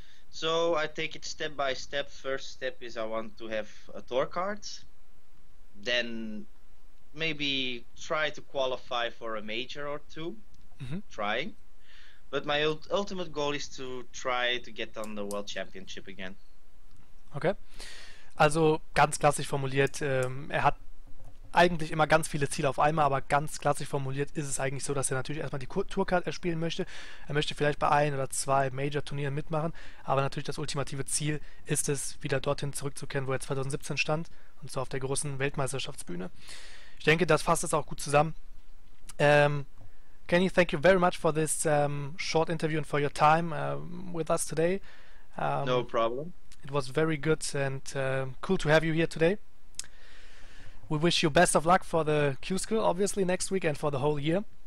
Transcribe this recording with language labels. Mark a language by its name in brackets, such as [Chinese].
[English] So I take it step by step. First step is I want to have a tour card, then maybe try to qualify for a major or two, trying. But my ultimate goal is to try to get on the World Championship again. Okay. [German] Also ganz klassisch formuliert, er hat eigentlich immer ganz viele Ziele auf einmal, aber ganz klassisch formuliert ist es eigentlich so, dass er natürlich erstmal die Tourcard erspielen möchte. Er möchte vielleicht bei ein oder zwei Major-Turnieren mitmachen, aber natürlich das ultimative Ziel ist es, wieder dorthin zurückzukehren, wo er 2017 stand, und zwar auf der großen Weltmeisterschaftsbühne. Ich denke, das fasst es auch gut zusammen. [English] Kenny, thank you very much for this short interview and for your time with us today. No problem. It was very good and cool to have you here today. We wish you best of luck for the Q school, obviously, next week and for the whole year.